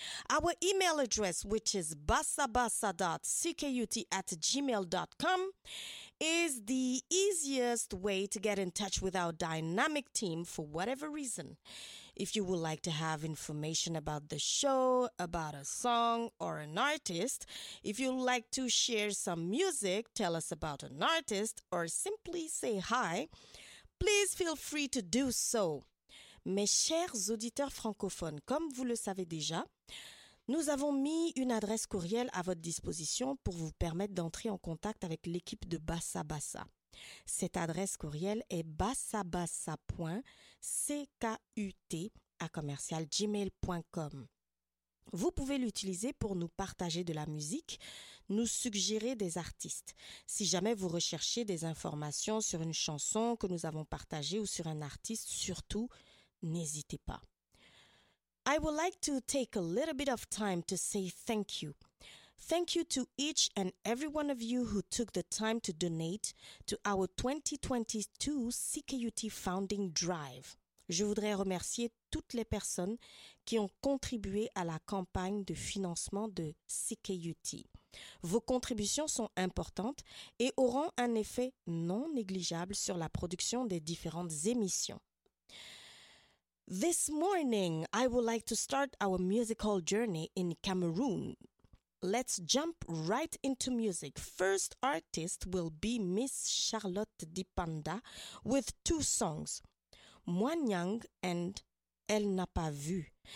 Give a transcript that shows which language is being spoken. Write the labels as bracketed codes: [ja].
[en] Our email address, which is bassabassa.ckut@gmail.com, is the easiest way to get in touch with our dynamic team for whatever reason. If you would like to have information about the show, about a song or an artist, if you'd like to share some music, tell us about an artist, or simply say hi, please feel free to do so. [fr] Mes chers auditeurs francophones, comme vous le savez déjà, nous avons mis une adresse courriel à votre disposition pour vous permettre d'entrer en contact avec l'équipe de Bassa Bassa. Cette adresse courriel est bassabassa.ckut@gmail.com. Vous pouvez l'utiliser pour nous partager de la musique, nous suggérer des artistes. Si jamais vous recherchez des informations sur une chanson que nous avons partagée ou sur un artiste, surtout, n'hésitez pas. [en] I would like to take a little bit of time to say thank you. Thank you to each and every one of you who took the time to donate to our 2022 CKUT Founding Drive. [fr] Je voudrais remercier toutes les personnes qui ont contribué à la campagne de financement de CKUT. Vos contributions sont importantes et auront un effet non négligeable sur la production des différentes émissions. [en] This morning, I would like to start our musical journey in Cameroon. Let's jump right into music. First artist will be Miss Charlotte Dipanda with two songs, Moanyang and Elle n'a pas vu.